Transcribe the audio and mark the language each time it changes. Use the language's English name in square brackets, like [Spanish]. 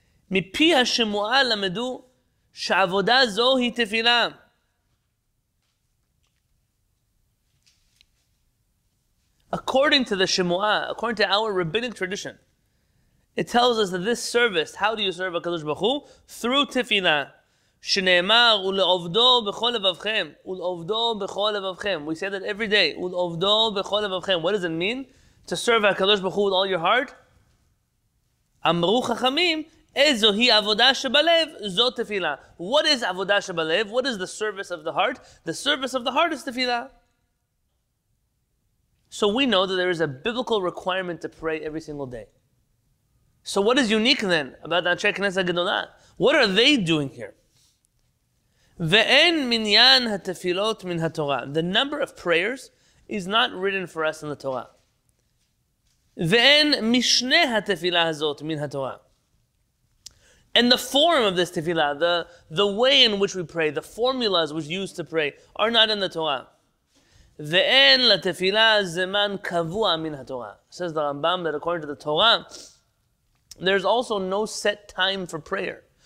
[Hebrew] Mipi ha'shemua lamedu sh'avodah zo hi tefillah. [English] According to the Shemua, according to our rabbinic tradition, it tells us that this service, how do you serve HaKadosh Baruch Hu? Through tefillah. [Hebrew] שנאמר ולעובדו בכל לבבכם, ולעובדו בכל לבבכם. [English] We say that every day. [Hebrew] ולעובדו בכל לבבכם. [English] What does it mean? To serve HaKadosh Baruch Hu with all your heart? [Hebrew] אמרו חכמים, איזוהי עבודה שבלב, זו תפילה. [English] What is [Hebrew] עבודה שבלב? [English] What is the service of the heart? The service of the heart is תפילה. So we know that there is a biblical requirement to pray every single day. So what is unique then about the Anshei Knesset Gedola? What are they doing here? [Hebrew] ואין מניין התפילות מן התורה. [English] The number of prayers is not written for us in the Torah. [Hebrew] ואין משנה התפילה הזאת מן התורה. [English] And the form of this tefillah, the way in which we pray, the formulas which we use to pray, are not in the Torah. [Hebrew] Ve'en la tefillah zeman kavua min ha-Torah. [English] Says the Rambam that according to the Torah, there's also no set time for prayer.